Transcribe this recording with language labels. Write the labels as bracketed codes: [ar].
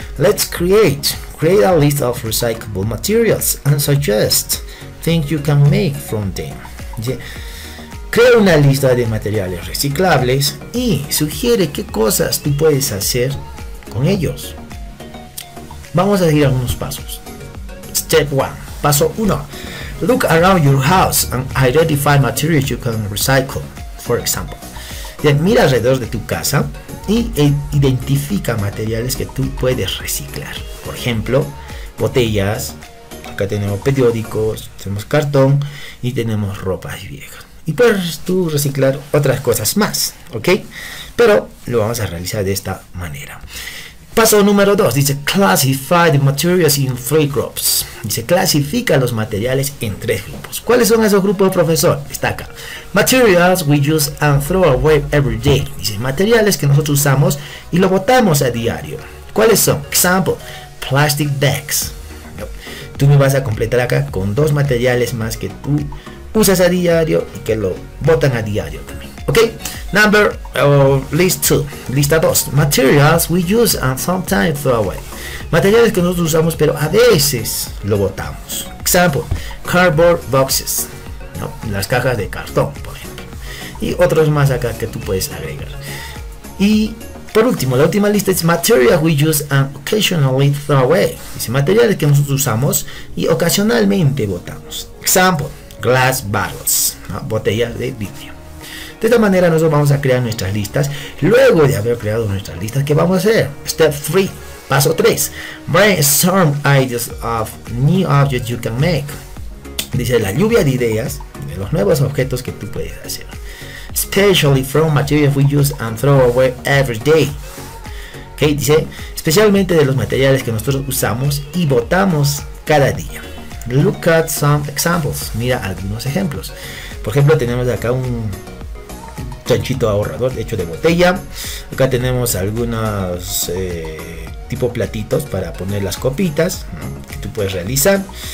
[en] Let's create a list of recyclable materials and suggest things you can make from them. [es] Crea una lista de materiales reciclables y sugiere qué cosas tú puedes hacer con ellos. Vamos a seguir algunos pasos. [en] Step 1. [es] Paso 1. [en] Look around your house and identify materials you can recycle. For example, [es] mira alrededor de tu casa y identifica materiales que tú puedes reciclar. Por ejemplo, botellas. Acá tenemos periódicos, tenemos cartón y tenemos ropas viejas. Y puedes tú reciclar otras cosas más, ¿ok? Pero lo vamos a realizar de esta manera. Paso número 2, dice [en] classify the materials in 3 groups. [es] Dice clasifica los materiales en 3 grupos. ¿Cuáles son esos grupos, profesor? Está acá. [en] Materials we use and throw away every day. [es] Dice materiales que nosotros usamos y lo botamos a diario. ¿Cuáles son? [en] Example, plastic bags. [es] No. Tú me vas a completar acá con 2 materiales más que tú usas a diario y que lo botan a diario también. [en] Ok, number lista 2, materials we use and sometimes throw away, [es] materiales que nosotros usamos pero a veces lo botamos. [en] Example, cardboard boxes, ¿no? [es] Las cajas de cartón, por ejemplo, y otros más acá que tú puedes agregar. Y por último, la última lista es materials we use and occasionally throw away, dice materiales que nosotros usamos y ocasionalmente botamos. [en] Example, glass bottles, ¿no? [es] Botellas de vidrio. De esta manera nosotros vamos a crear nuestras listas. Luego de haber creado nuestras listas, ¿qué vamos a hacer? [en] Step 3, [es] paso 3. [en] Brainstorm ideas of new objects you can make. [es] Dice la lluvia de ideas de los nuevos objetos que tú puedes hacer. [en] Especially from materials we use and throw away every day. [es] Okay, dice, especialmente de los materiales que nosotros usamos y botamos cada día. [en] Look at some examples. [es] Mira algunos ejemplos. Por ejemplo, tenemos acá un chanchito ahorrador hecho de botella. Acá tenemos algunos tipo platitos para poner las copitas, ¿no? Que tú puedes realizar.